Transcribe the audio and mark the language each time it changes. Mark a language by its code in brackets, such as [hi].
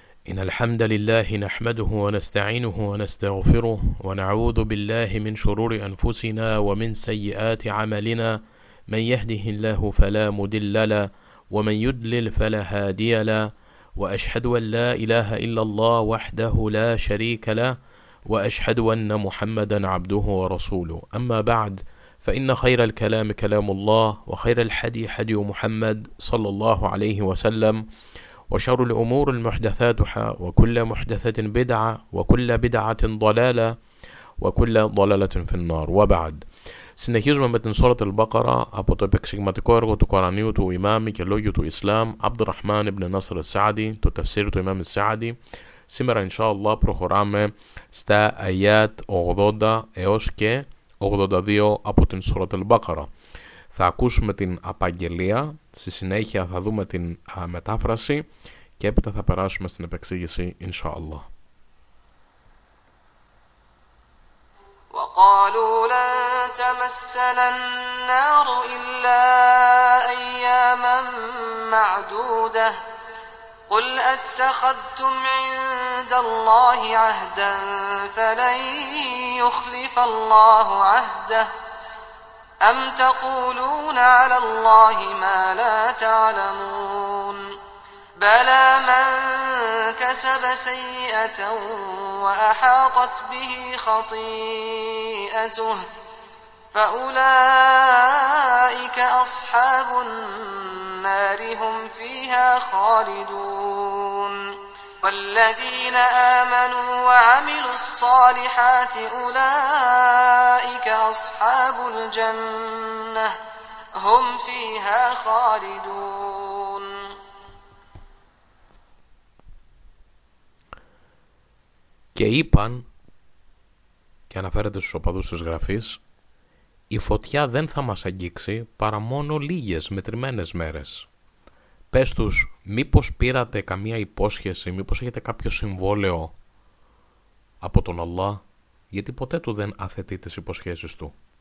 [ar] إن الحمد لله نحمده ونستعينه ونستغفره ونعوذ بالله من شرور أنفسنا ومن سيئات عملنا، من يهده الله فلا مضل له ومن يضلل فلا هادي له، وأشهد أن لا إله إلا الله وحده لا شريك له، وأشهد أن محمدا عبده ورسوله. أما بعد، فإن خير الكلام كلام الله، وخير الحدي حدي محمد صلى الله عليه وسلم، وشر الأمور محدثاتها، وكل محدثة بدعة، وكل بدعة ضلالة، وكل ضلالة في النار. [el] وبعد، συνεχίζουμε με την Σούρα Al-Baqara από το επεξηγηματικό έργο του Κορανίου του Ιμάμι και Λόγιου του Ισλάμ Abd al-Rahman ibn Nasr al-Sa'di, το Tafsir του Ιμάμι al-Sa'di. Σήμερα, Inshallah, προχωράμε στα Ayat 80 έως και 82 από την Σούρα Al-Baqara. Θα ακούσουμε την απαγγελία, στη συνέχεια θα δούμε την μετάφραση και έπειτα θα περάσουμε στην επεξήγηση, Inshallah. [ar] وقالوا لن تمسنا النار إلا أياما معدودة قل أتخذتم عند الله عهدا فلن يخلف الله عهده أم تقولون على الله ما لا تعلمون بلى من كسب سيئة وأحاطت به خطيئته فأولئك أصحاب النار هم فيها خالدون والذين آمنوا وعملوا الصالحات أولئك أصحاب الجنة هم فيها خالدون. [el] Και είπαν, και αναφέρεται στους οπαδούς της γραφής, η φωτιά δεν θα μας αγγίξει παρά μόνο λίγες μετρημένες μέρες. Πες τους, μήπως πήρατε καμία υπόσχεση, μήπως έχετε κάποιο συμβόλαιο από τον Αλλά, γιατί ποτέ του δεν αθετεί τις υποσχέσεις του.